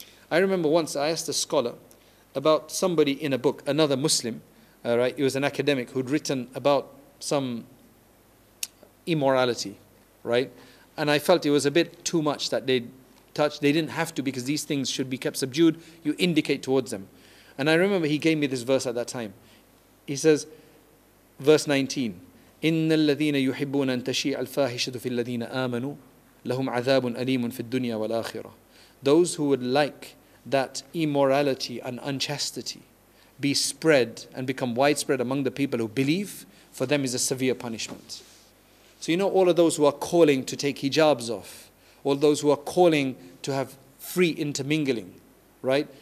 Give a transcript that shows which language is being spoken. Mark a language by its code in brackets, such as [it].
[en] I remember once I asked a scholar about somebody in a book, another Muslim, right? He was an academic who'd written about some immorality, right? And I felt it was a bit too much that they'd touch. They didn't have to, because these things should be kept subdued. You indicate towards them. And I remember he gave me this verse at that time. He says, verse 19, [ar] إِنَّ الَّذِينَ يُحِبُّونَ أَن تَشِيعَ الْفَاحِشَةُ فِي الَّذِينَ آمَنُوا لَهُمْ عَذَابٌ أَلِيمٌ فِي الدُّنْيَا وَالْآخِرَةِ. [en] Those who would like that immorality and unchastity be spread and become widespread among the people who believe, for them is a severe punishment. So you know, all of those who are calling to take hijabs off, all those who are calling to have free intermingling, right?